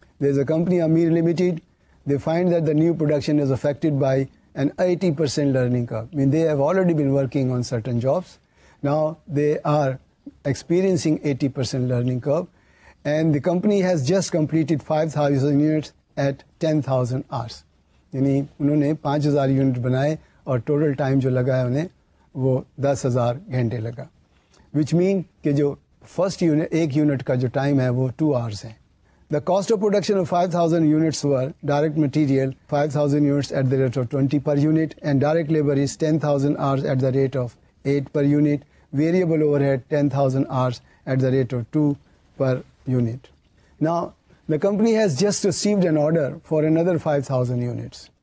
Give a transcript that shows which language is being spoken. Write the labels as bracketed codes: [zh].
[en] There's a company, Amir Limited. They find that the new production is affected by an 80% learning curve. I mean, they have already been working on certain jobs. Now they are experiencing 80% learning curve, and the company has just completed 5,000 units at 10,000 hours. [ur] یعنی انہوں نے 5,000 unit بنائے اور total time جو لگا ہے انہیں وہ 10,000 گھنٹے لگا [en] وچ مین [ur] کہ جو فرسٹ یونٹ ایک یونٹ کا جو ٹائم ہے وہ 2 آورس ہیں [en] The cost of production of 5,000 units were direct material, 5,000 units at the rate of 20 per unit, and direct labor is 10,000 hours at the rate of 8 per unit, variable overhead 10,000 hours at the rate of 2 per unit. Now, the company has just received an order for another 5,000 units.